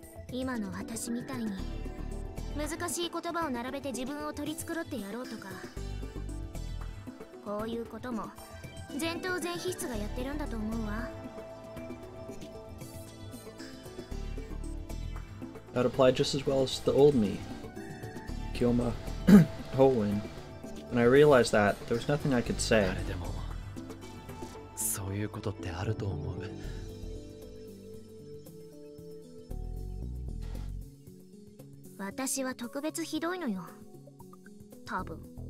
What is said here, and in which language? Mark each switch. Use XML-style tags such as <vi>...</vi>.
<ja>今の私みたいに、難しい言葉を並べて自分を取り繕ってやろうとか。こういうことも、前頭前皮質がやってるんだと思うわ。</ja> <en>That applied just as well as the old me. Kyoma Howin. When I realized that, there was nothing I could say.</en> <ja>そういうことってあると思う。私は特別ひどいのよ。多分。</ja>